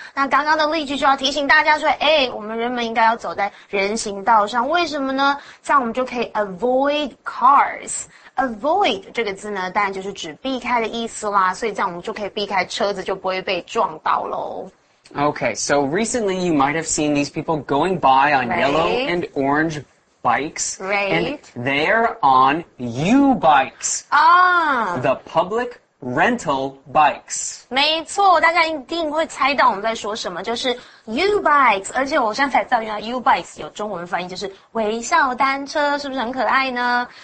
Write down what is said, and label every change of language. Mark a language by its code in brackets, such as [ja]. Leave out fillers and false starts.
[zh] 那刚刚的例句就要提醒大家说，哎，我们人们应该要走在人行道上，为什么呢？这样我们就可以 [en] avoid cars。 [zh] Avoid 这个字呢，当然就是指避开的意思啦，所以这样我们就可以避开车子，就不会被撞到喽。 [en] Okay, so recently you might have seen these people going by on yellow and orange bikes, and they're on U-bikes, the public rental bikes. [zh] 没错，大家一定会猜到我们在说什么，就是 U bikes。而且我现在才知道，原来 U bikes 有中文翻译，就是微笑单车，是不是很可爱呢？